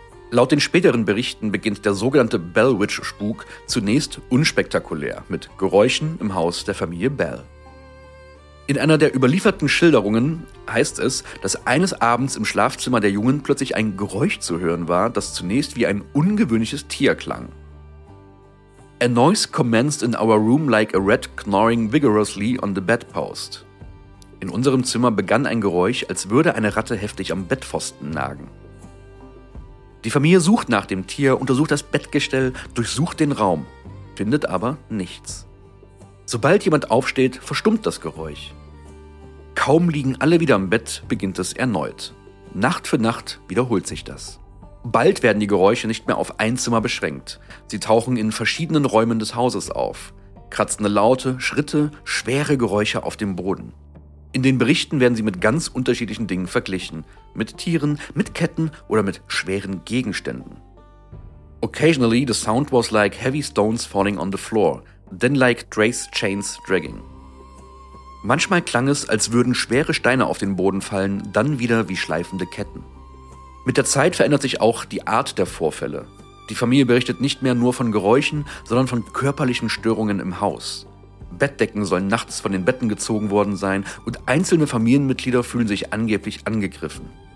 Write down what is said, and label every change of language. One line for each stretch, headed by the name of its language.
German: Laut den späteren Berichten beginnt der sogenannte Bellwitch-Spuk zunächst unspektakulär mit Geräuschen im Haus der Familie Bell. In einer der überlieferten Schilderungen heißt es, dass eines Abends im Schlafzimmer der Jungen plötzlich ein Geräusch zu hören war, das zunächst wie ein ungewöhnliches Tier klang.
English: A noise commenced in our room like a rat gnawing vigorously on the bedpost.
German: In unserem Zimmer begann ein Geräusch, als würde eine Ratte heftig am Bettpfosten nagen. Die Familie sucht nach dem Tier, untersucht das Bettgestell, durchsucht den Raum. findet aber nichts. Sobald jemand aufsteht, verstummt das Geräusch. Kaum liegen alle wieder im Bett, beginnt es erneut. Nacht für Nacht wiederholt sich das. Bald werden die Geräusche nicht mehr auf ein Zimmer beschränkt. Sie tauchen in verschiedenen Räumen des Hauses auf. Kratzende Laute, Schritte, schwere Geräusche auf dem Boden. In den Berichten werden sie mit ganz unterschiedlichen Dingen verglichen. Mit Tieren, mit Ketten oder mit schweren Gegenständen.
English: Occasionally the sound was like heavy stones falling on the floor, then like Trace chains dragging.
German: Manchmal klang es, als würden schwere Steine auf den Boden fallen, dann wieder wie schleifende Ketten. Mit der Zeit verändert sich auch die Art der Vorfälle. Die Familie berichtet nicht mehr nur von Geräuschen, sondern von körperlichen Störungen im Haus. Bettdecken sollen nachts von den Betten gezogen worden sein und einzelne Familienmitglieder fühlen sich angeblich angegriffen.